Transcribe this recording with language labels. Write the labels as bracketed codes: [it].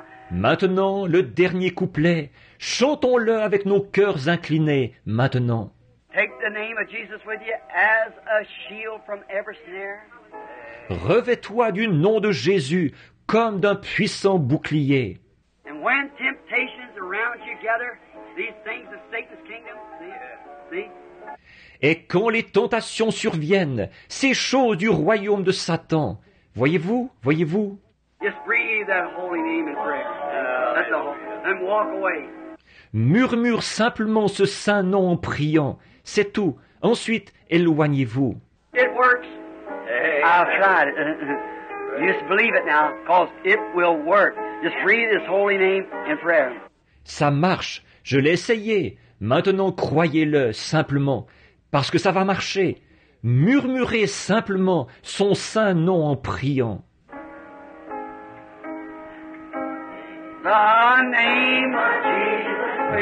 [fr] Maintenant, le dernier couplet, chantons-le avec nos cœurs inclinés, maintenant. [en] Take the name of Jesus with you as a shield from every snare. [fr] Revêt-toi du nom de Jésus comme d'un puissant bouclier. [en] And when temptations around you gather, these things of Satan's kingdom, see? [fr] Et quand les tentations surviennent, ces choses du royaume de Satan, voyez-vous, voyez-vous? [en] Just breathe that holy name in prayer. That's all. And walk away. [fr] Murmure simplement ce saint nom en priant. C'est tout. Ensuite, éloignez-vous. [en] It works. Amen. I've tried it. Just believe it now, because it will work. Just read His holy name in prayer. [fr] Ça marche. Je l'ai essayé. Maintenant, croyez-le simplement, parce que ça va marcher. Murmurez simplement son saint nom en priant. [en] The name of Jesus,